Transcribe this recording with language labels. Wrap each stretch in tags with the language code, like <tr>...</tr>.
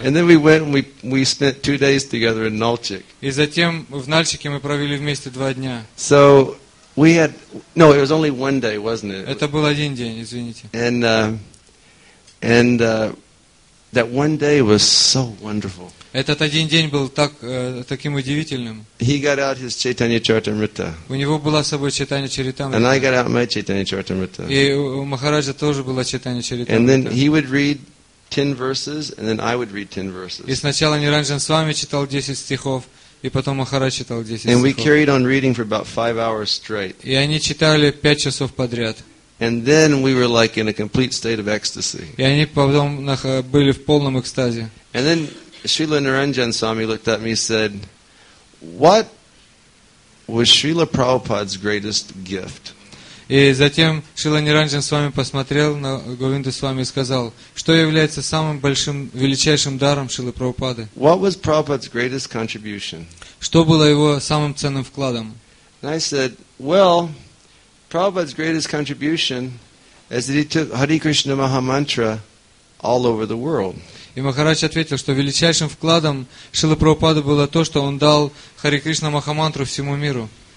<en>And then we went and we spent 2 days together in Nalchik.</en> <ru>И затем в Нальчике мы провели вместе 2 дня.</ru> <en>So we had no, it was only 1 day, wasn't it?</en> <ru>Это был один день, извините.</ru> <en>And that 1 day was so wonderful.</en> <ru>Этот один день был таким удивительным.</ru> <en>He got out his Chaitanya Charitamrita.</en> <ru>У него была с собой Чайтанья Чаритамрита.</ru> <en>And I got out my Chaitanya Charitamrita.</en> <ru>И у Махараджа тоже была Чайтанья Чаритамрита.</ru> <en>And then he would read 10 verses, and then I would read 10 verses.</en> <ru>И сначала Ниранджан Свами читал 10 стихов, и потом Махарадж читал 10 стихов.</ru> <en>And we carried on reading for about 5 hours straight.</en> <ru>И они читали 5 часов подряд.</ru> <en>And then we were like in a complete state of ecstasy.</en> <ru>И они потом были в полном экстазе.</ru> <en>And then Srila Niranjan Swami looked at me and said, "What was Srila Prabhupada's greatest gift?"</en> <ru>И затем Шрила Ниранджан Свами посмотрел на Говинду Свами и сказал, что является самым большим, величайшим даром Шрилы Прабхупады.</ru> <en>What was Prabhupada's greatest contribution?</en> <ru>Что было его самым ценным вкладом?</ru> <en>And I said, "Well, Prabhupada's greatest contribution is that he took Hare Krishna Maha Mantra all over the world."</en> <ru>И Махарадж ответил, что величайшим вкладом Шрилы Прабхупады было то, что он дал Хари Кришна Махамантру всему миру.</ru>